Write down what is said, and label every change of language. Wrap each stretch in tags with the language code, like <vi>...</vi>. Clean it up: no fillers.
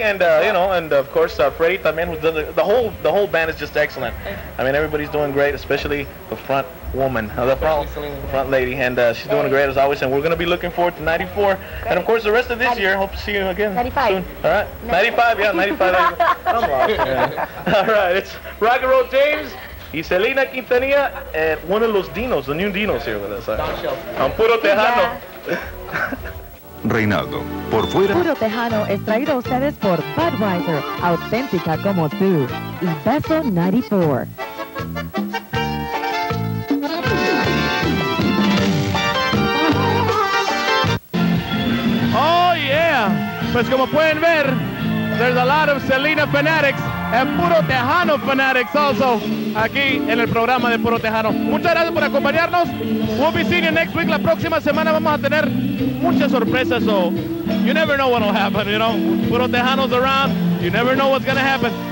<en>And of course, Freddie también. The whole band is just excellent. I mean, everybody's doing great, especially the front woman, the front lady, and she's doing great as always, and we're going to be looking forward to 94, great. And of course the rest of this year, hope to see you again 95. Soon, all right, 95, yeah, 95, come on, yeah. All right, it's Rock and Roll James, y Selena Quintanilla, one of los Dinos, the new Dinos here with us, I'm Puro Tejano.</en> <es>Reinaldo, por fuera. Puro Tejano es traído a ustedes por Budweiser, auténtica como tú, y Beso 94. Pues como pueden ver,</es> <en>there's a lot of Selena fanatics and Puro Tejano fanatics also</en> <es>aquí en el programa de Puro Tejano. Muchas gracias por acompañarnos.</es> <en>We'll be seeing you next week.</en> <es>La próxima semana vamos a tener muchas sorpresas.</es> <en>So you never know what will happen, you know. Puro Tejano's around. You never know what's going to happen.</en>